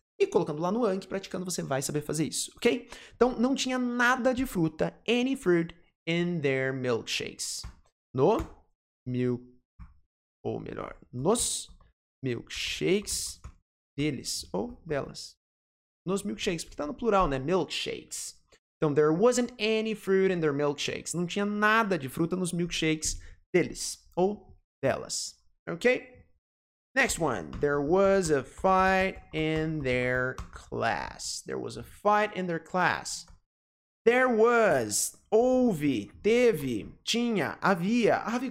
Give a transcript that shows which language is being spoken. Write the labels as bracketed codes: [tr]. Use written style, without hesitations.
[pt] E colocando lá no Anki, praticando, você vai saber fazer isso, ok? Então, não tinha nada de fruta, [en] any fruit in their milkshakes. [pt] No milk, ou melhor, nos milkshakes deles, ou delas. Nos milkshakes, porque tá no plural, né? Milkshakes. [en] Então, there wasn't any fruit in their milkshakes. [pt] Não tinha nada de fruta nos milkshakes deles, ou delas, ok? [en] Next one. There was a fight in their class. There was a fight in their class. There was. [pt] Houve. Teve. Tinha. Havia. Havia.